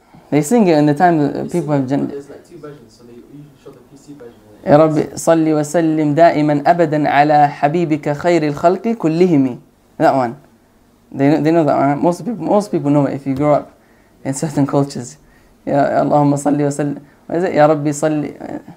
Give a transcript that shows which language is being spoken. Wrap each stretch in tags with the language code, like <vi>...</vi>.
<en>They sing it in the time that people have gender. There's like two versions, so they usually show the PC version.</en> <ar>يا ربي صلي وسلم دائما أبدا على حبيبك خير الخلق كلهم.</ar> <en>That one. They know that one. Most people know it if you grow up in certain cultures.</en> <ar>يا اللهم صلي وسلم.</ar> <en>What is it?</en> <ar>يا ربي صلي.</ar>